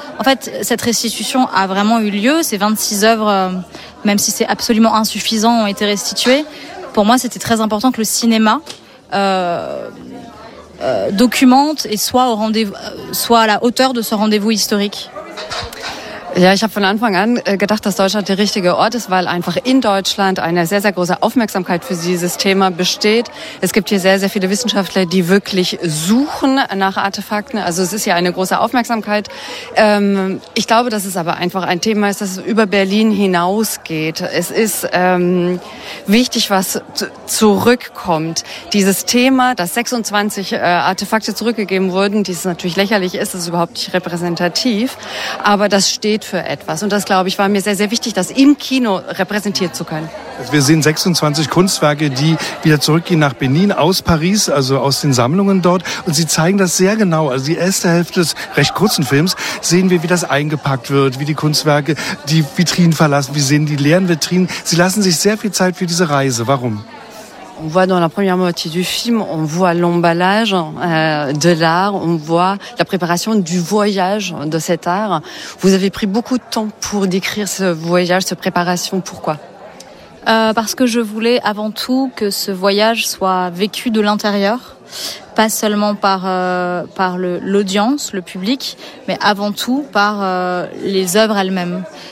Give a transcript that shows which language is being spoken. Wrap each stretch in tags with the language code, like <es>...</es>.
<fr>En fait, cette restitution a vraiment eu lieu. Ces 26 œuvres, même si c'est absolument insuffisant, ont été restituées. Pour moi, c'était très important que le cinéma documente et soit à la hauteur de ce rendez-vous historique.</fr> <de>Ja, ich habe von Anfang an gedacht, dass Deutschland der richtige Ort ist, weil einfach in Deutschland eine sehr, sehr große Aufmerksamkeit für dieses Thema besteht. Es gibt hier sehr, sehr viele Wissenschaftler, die wirklich suchen nach Artefakten. Also es ist hier eine große Aufmerksamkeit. Ich glaube, dass es aber einfach ein Thema ist, das über Berlin hinausgeht. Es ist wichtig, was zurückkommt. Dieses Thema, dass 26 Artefakte zurückgegeben wurden, dies natürlich lächerlich ist, ist überhaupt nicht repräsentativ, aber das steht für etwas. Und das, glaube ich, war mir sehr, sehr wichtig, das im Kino repräsentiert zu können. Also wir sehen 26 Kunstwerke, die wieder zurückgehen nach Benin aus Paris, also aus den Sammlungen dort. Und sie zeigen das sehr genau. Also die erste Hälfte des recht kurzen Films sehen wir, wie das eingepackt wird, wie die Kunstwerke die Vitrinen verlassen. Wir sehen die leeren Vitrinen. Sie lassen sich sehr viel Zeit für diese Reise. Warum?</de> <fr>On voit dans la première moitié du film, on voit l'emballage de l'art, on voit la préparation du voyage de cet art. Vous avez pris beaucoup de temps pour décrire ce voyage, cette préparation. Pourquoi ? Parce que je voulais avant tout que ce voyage soit vécu de l'intérieur, pas seulement par l'audience, le public, mais avant tout par les œuvres elles-mêmes.</fr>